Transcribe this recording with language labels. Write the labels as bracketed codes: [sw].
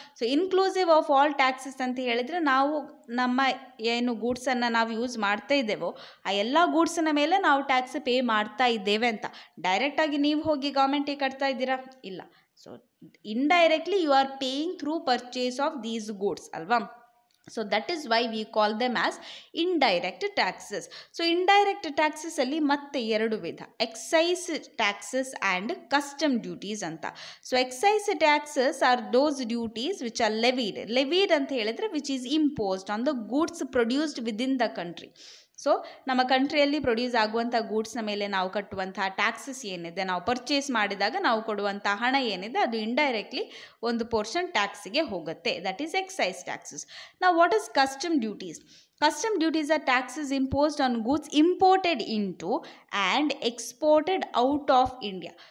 [kn] So [en] inclusive of all taxes [kn] ಅಂತ ಹೇಳಿದರೆ ನಾವು ನಮ್ಮ ಏನು ಗೂಡ್ಸನ್ನು ನಾವು ಯೂಸ್ ಮಾಡ್ತಾ ಇದ್ದೇವೋ ಆ ಎಲ್ಲ ಗೂಡ್ಸನ ಮೇಲೆ ನಾವು ಟ್ಯಾಕ್ಸ್ ಪೇ ಮಾಡ್ತಾ ಇದ್ದೇವೆ ಅಂತ. ಡೈರೆಕ್ಟಾಗಿ ನೀವು ಹೋಗಿ ಗೌರ್ಮೆಂಟಿಗೆ ಕಟ್ತಾ ಇದ್ದೀರಾ? ಇಲ್ಲ. [en] So indirectly you are paying through purchase of these goods ಅಲ್ವಾ. So that is why we call them as indirect taxes. So indirect taxes [kn] alli matte eradu vidha, [en] excise taxes and custom duties anta. So excise taxes are those duties which are levied. Levied [kn] anta helidre [en] which is imposed on the goods produced within the country. [kn] So ನಮ್ಮ ಕಂಟ್ರಿಯಲ್ಲಿ produce ಆಗುವಂಥ ಗೂಡ್ಸ್ನ ಮೇಲೆ ನಾವು ಕಟ್ಟುವಂಥ taxes ಏನಿದೆ, ನಾವು purchase ಮಾಡಿದಾಗ ನಾವು ಕೊಡುವಂಥ ಹಣ ಏನಿದೆ ಅದು ಇಂಡೈರೆಕ್ಟ್ಲಿ ಒಂದು ಪೋರ್ಷನ್ ಟ್ಯಾಕ್ಸ್ಗೆ ಹೋಗುತ್ತೆ. [en] That is excise taxes. ನಾವು what is custom duties? Custom duties are taxes imposed on goods imported into and exported out of India.